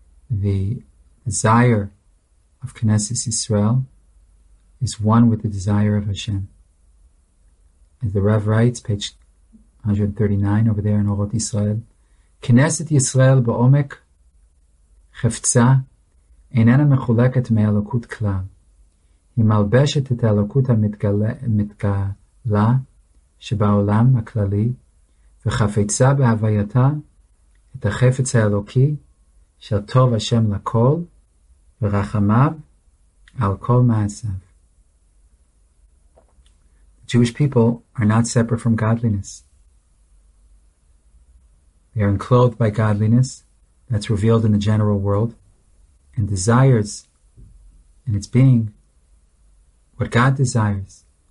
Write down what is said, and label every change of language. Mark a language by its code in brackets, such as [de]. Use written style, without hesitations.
[en] The desire of Knesset Yisrael is one with the desire of Hashem. As the Rav writes, page 139 over there in Orot Yisrael, Knesset Yisrael ba'omek chefza [he] איננה מחולקת מאלוקות כלל. היא מלבשת את האלוקות המתגלה שבעולם הכללי, וחפצה בהווייתה את החפץ האלוקי של טוב השם לכל, ורחמיו על כל מעשיו. [en] Jewish people are not separate from godliness. They are enclosed by godliness that's revealed in the general world, and desires in its being what God desires.